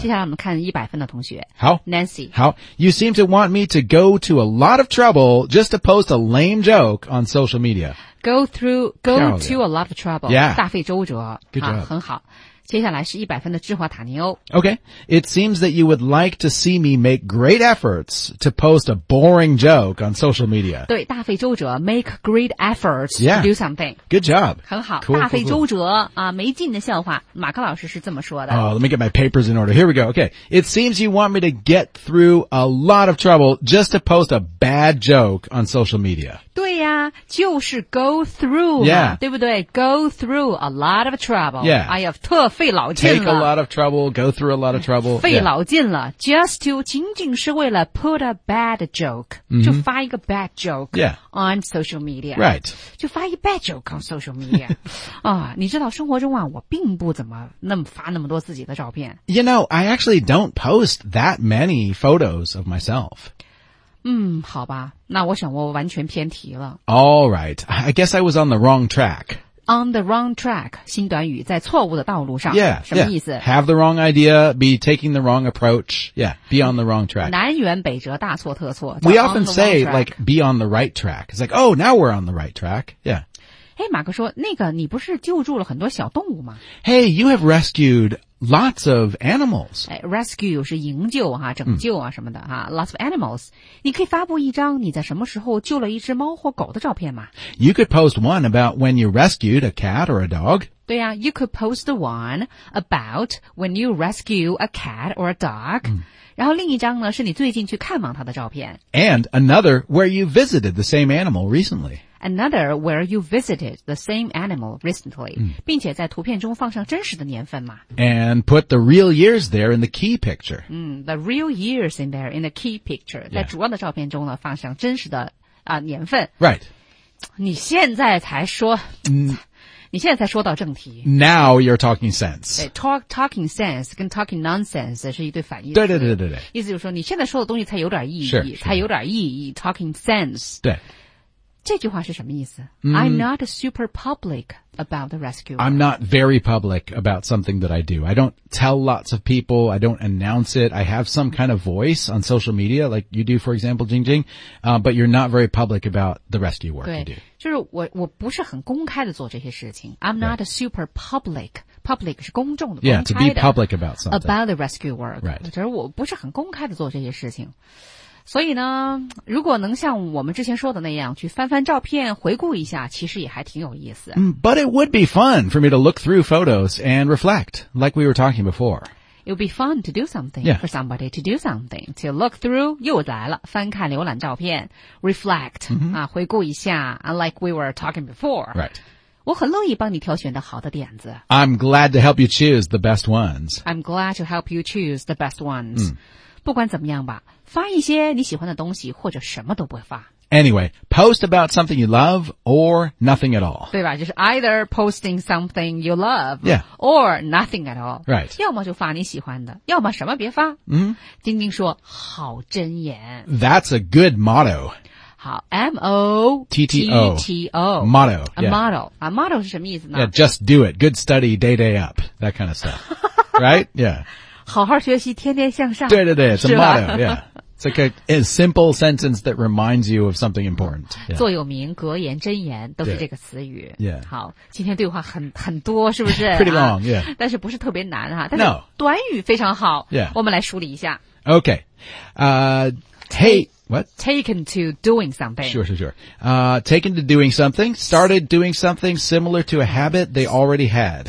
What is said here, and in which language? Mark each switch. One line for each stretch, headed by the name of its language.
Chinese: 接下来我们看100分的同学。好。
English: Nancy. 好。You seem to want me to go to a lot of trouble just to post a lame joke on social media. Go to a lot of trouble. Yeah.
Chinese: 大费周折。
English: Good job.
Chinese: 很好。接下来是100分的智华塔尼欧。
English: Okay, it seems that you would like to see me make great efforts to post a boring joke on social media.
Chinese: 对，大费周折
English: ，make great efforts yeah, to do something. Good job.
Chinese: 很好，
English: cool,
Chinese: 大费周折
English: cool, cool.
Chinese: 啊，没劲的笑话，马克老师是这么说的。
English: Oh, let me get my papers in order. Here we go. Okay, it seems you want me to get through a lot of trouble just to post a bad joke on social media.
Chinese: 对呀，就是
English: go through, yeah,
Chinese: 对不对
English: ？Go through a lot of trouble. Yeah, I have tough.
Chinese: 费老劲了
English: Take a lot of trouble, go through a lot of trouble.
Chinese: 费老劲了、
English: yeah. Just to,
Chinese: 仅仅是为了
English: put a bad joke,、 mm-hmm.
Chinese: 就发一个
English: bad joke、 yeah. on social media. Right.
Chinese: 就发一个
English: bad joke on social media.
Chinese: 、你知道生活中啊我并不怎么那么发那么多自己的照片。
English: You know, I actually don't post that many photos of myself.
Chinese: 嗯，好吧，那我想我完全偏题了。
English: All right, I guess I was on the wrong track. On the wrong track,
Chinese: 新短语在错误的道路上。
English: Yeah,
Chinese: 什么意思
English: yeah. Have the wrong idea, be taking the wrong approach. Yeah, be on the wrong track.
Chinese: 南辕北辙大错特错。
English: We often say, like, be on the right track. It's like, oh, now we're on the right track. Yeah.
Chinese: Hey, 马克说，那个你不是救助了很多小动物吗
English: Hey, you have rescued lots of animals.
Chinese: Rescue 是营救啊拯救啊什么的啊、
English: Lots of animals.
Chinese: 你可以发布一张你在什么时候救了一只猫或狗的照片吗
English: You could post one about when you rescued a cat or a dog.
Chinese: 对啊
English: you could post one about when you rescue a cat or a dog.、
Chinese: 然后另一张呢是你最近去看望它的照片。
English: And another where you visited the same animal recently. Another where you visited the same animal recently,、
Chinese: 并且在图片中放上真实的年份嘛。
English: And put the real years there in the key picture.、 the real years in there in the key picture.、 Yeah.
Chinese: 在主要的照片中呢放上真实的、年份。
English: Right.
Chinese: 你现在才说、你现在才说到正题。
English: Now you're talking sense. Talking sense
Chinese: 跟
English: talking nonsense
Chinese: 是一对反义词。对对对对对。意思就是说你现在说的东西才有点意义、
English: sure,
Chinese: 才有点意义
English: talking sense.
Chinese: 对。这句话是什么意思、
English: I'm not super public about the rescue. I'm not very public about something that I do. I don't tell lots of people. I don't announce it. I have some kind of voice on social media, like you do, for example, Jing Jing.、but you're not very public about the rescue work you do.
Chinese: 就是我不是很公开的做这些事情。
English: I'm not、 right. super public. Public
Chinese: 是公众的。
English: Yeah, to be public about something. About the rescue work. Right.
Chinese: 就是我不是很公开的做这些事情。所以呢，如果能像我们之前说的那样，去翻翻照片，回顾一下，其实也还挺有意思。
English: But it would be fun for me to look through photos and reflect, like we were talking before. It would be fun to do something, yeah. For somebody to do something, to look through,
Chinese: 又来了，翻看浏览照片，
English: reflect,、 mm-hmm.
Chinese: 啊、回顾一下，
English: like we were talking before. Right.
Chinese: 我很乐意帮你挑选的好的点子。
English: I'm glad to help you choose the best ones. I'm glad to help you choose the best ones.、 Mm.
Chinese: 不管怎么样吧，发一些你喜欢的东西或者什么都不发。
English: Anyway, post about something you love or nothing at all.
Chinese: 对吧，就是
English: either posting something you love、 yeah. or nothing at all. Right.
Chinese: 要么就发你喜欢的，要么什么别发。 Mm-hmm. 丁丁说，好真言。
English: That's a good motto. 好 M-O-T-T-O Motto、yeah. A motto A motto
Chinese: 是什么意思呢
English: Yeah, just do it Good study, day day up That kind of stuff Right? Yeah
Chinese: 好好学习天天向上对对对
English: It's a motto Yeah It's like a simple sentence That reminds you of something important、yeah.
Chinese: 座右铭格言箴言都是这个词语
English: Yeah
Chinese: 好今天对话很多是不是、啊、
English: Pretty long Yeah
Chinese: 但是不是特别难、啊、
English: No
Chinese: 短语非常好
English: Yeah
Chinese: 我们来梳理一下
English: Okay Hey What? Taken to doing something. Sure, sure, sure. Taken to doing something, started doing something similar to a habit they already had.